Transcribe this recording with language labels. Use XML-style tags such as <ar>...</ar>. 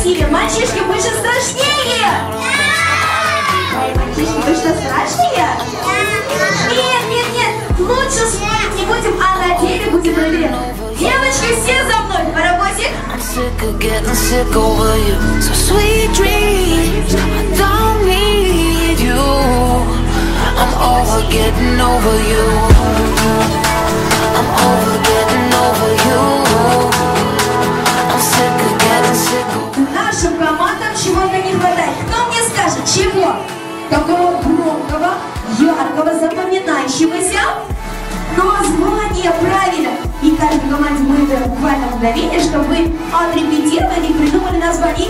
<ru>Мальчишки, вы же страшнее! Да! Мальчишки, вы что, страшнее? Да! Нет! Лучше спать не будем, а на деле будем рыбить. Девочки, все за мной! Паровозик!</ru> <en>Sick of getting sick over you. So sweet dreams, I don't need you. I'm over getting over you. I'm over getting over you. I'm sick of getting sick over you.</en> <ru>Нашим командам чего-то не хватает. Кто мне скажет, чего? Такого громкого, яркого, запоминающегося? Название правильно. И каждой команде мы даем буквально мгновение, чтобы отрепетировали и придумали название.</ru>